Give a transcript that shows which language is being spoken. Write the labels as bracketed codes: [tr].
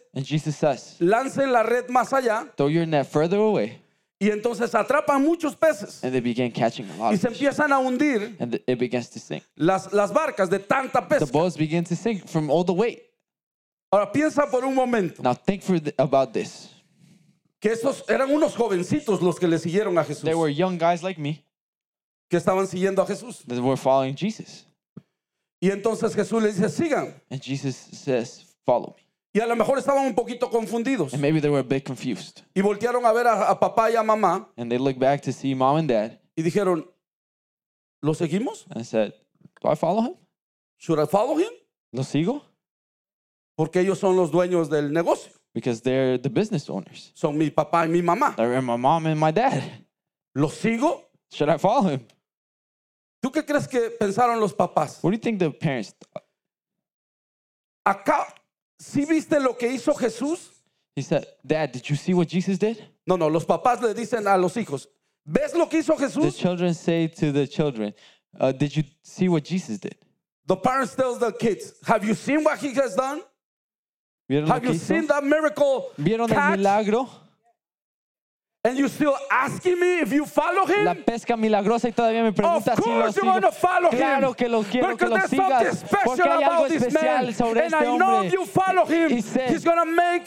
[en] And Jesus says, [es] lancen la red más allá. [en] Throw your net further away. [es] Y entonces atrapan muchos peces. [en] And they begin catching a lot of fish. [es] Y se empiezan a hundir. [en] And it begins to sink. [es] Las barcas de tanta pesca. [en] The boats begin to sink from all the weight. [es] Ahora piensa por un momento. [en] Now think for about this. [es] Que esos eran unos jovencitos los que le siguieron a Jesús. [en] They were young guys like me. [es] Que estaban siguiendo a Jesús. [en] They were following Jesus. [es] Y entonces Jesús les dice, sigan. [en] And Jesus says, follow me. [es] Y a lo mejor estaban un poquito confundidos. [en] And maybe they were a bit confused. [es] Y voltearon a ver a papá y a mamá. [en] And they looked back to see mom and dad. [es] Y dijeron, ¿lo seguimos? [en] And said, do I follow him? Should I follow him? [es] ¿Lo sigo? Porque ellos son los dueños del negocio. [en] Because they're the business owners. [es] Son mi papá y mi mamá. [en] They're my mom and my dad. [es] ¿Lo sigo? [en] Should I follow him? [es] ¿Tú qué crees que pensaron los papás? [en] What do you think the parents thought? [es] Acá, ¿sí viste lo que hizo Jesús? [en] He said, Dad, did you see what Jesus did? [es] No, no, los papás le dicen a los hijos, ¿ves lo que hizo Jesús? [en] The children say to the children, did you see what Jesus did? The parents tell the kids, have you seen what he has done? Have you seen that miracle? [es] ¿Vieron el milagro? [en] And you're still asking me if you follow him? [es] La pesca milagrosa y todavía me preguntas si lo sigo. [en] You want to follow him. [es] Claro que lo quiero, [en] because [es] que lo sigas. Porque hay algo especial sobre [en] and [es] este hombre. [en] And I know if you follow him, he's going to make